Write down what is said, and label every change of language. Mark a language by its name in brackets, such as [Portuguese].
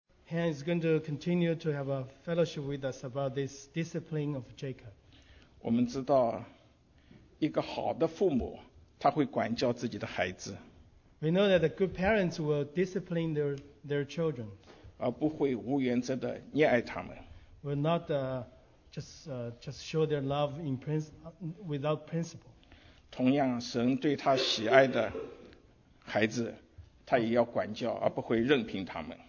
[English] And he's going to continue to have a fellowship with us about this discipline of Jacob. [Chinese] 我们知道一个好的父母他会管教自己的孩子。 [English] We know that the good parents will discipline their children. [Chinese] 而不会无原则的溺爱他们。 [English] Will not just show their love in without principle. [Chinese] 同样神对他喜爱的孩子他也要管教而不会任凭他们。